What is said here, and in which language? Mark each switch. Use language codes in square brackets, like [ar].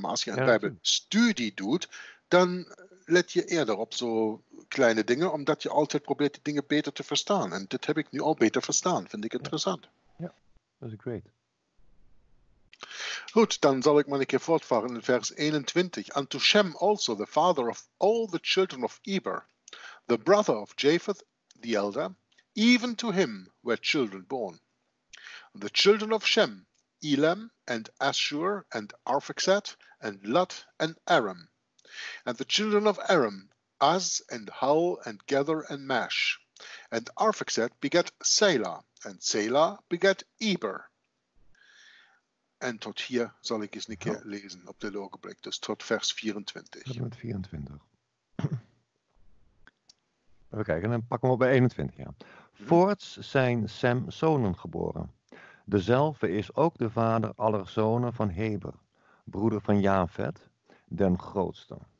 [nl] Maar als je een Bijbelstudie doet, dan let je eerder op zo kleine dingen, omdat je altijd probeert die dingen beter te verstaan. En dit heb ik nu al beter verstaan. Vind ik interessant. Ja, dat is great. Goed, dan zal ik maar een keer voortvaren in vers 21. [en] And to Shem also, the father of all the children of Eber, the brother of Japheth, the elder, even to him were children born. The children of Shem, Elam, and Ashur, and Arphaxad, and Lut, and Aram. And the children of Aram, Uz, and Hul, and Gether, and Mash. And Arphaxad begat Selah, En Zela begat Eber. [nl] En tot hier zal ik eens een keer lezen op de ogenblik. Dus tot vers 24. Even kijken, dan pakken we op bij 21. Ja. Voorts zijn Sem zonen geboren. Dezelfde is ook de vader aller zonen van Heber, broeder van Jafet, den grootste.